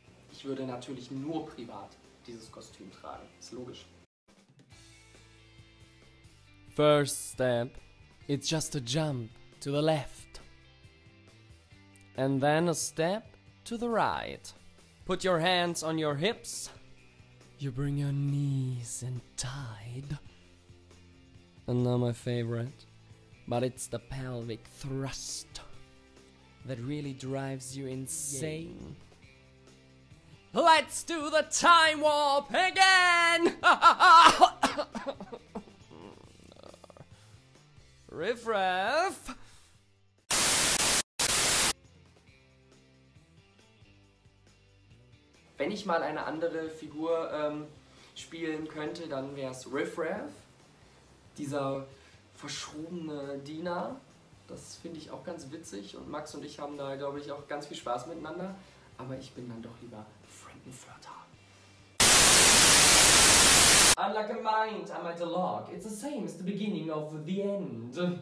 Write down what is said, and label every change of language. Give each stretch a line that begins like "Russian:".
German: Ich würde natürlich nur privat dieses Kostüm tragen. Ist logisch.
English: First step, it's just a jump to the left. And then a step to the right. Put your hands on your hips. You bring your knees in tight. And now my favorite, but it's the pelvic thrust that really drives you insane. Yeah. Let's do the time warp again! Riffraff!
German: Wenn ich mal eine andere Figur spielen könnte, dann wäre es Riffraff. Dieser verschrobene Diener. Das finde ich auch ganz witzig und Max und ich haben da, glaube ich, auch ganz viel Spaß miteinander. Aber ich bin dann doch lieber Frankenfurter.
English: I'm like a mind, I'm like a log. It's the same as the beginning of the end.